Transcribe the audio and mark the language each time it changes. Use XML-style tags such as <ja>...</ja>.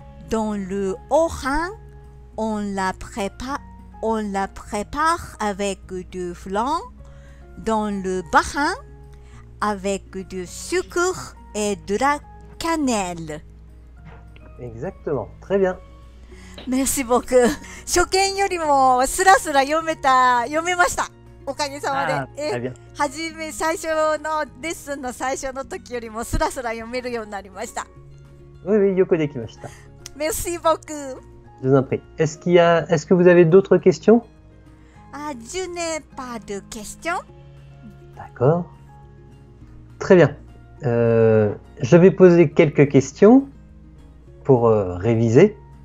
<fr>Dans le Haut-Rhin, on la prépareOn la prépare avec du flan, dans le Bas-Rhin, avec du sucre et de la cannelle. Exactement, très bien. Merci beaucoup.</fr> <ja>初見よりもスラスラ読めました。おかげさまで。</ja> <fr>Ah, très bien.</fr> <ja>最初のレッスンの最初の時よりもスラスラ読めるようになりました。 Oui, yoko dekimashita.</ja> <fr>Merci beaucoup. Je vous en prie. Est-ce que vous avez d'autres questions? Ah, je n'ai pas de questions. D'accord. Très bien. Je vais poser quelques questions pour réviser.</fr>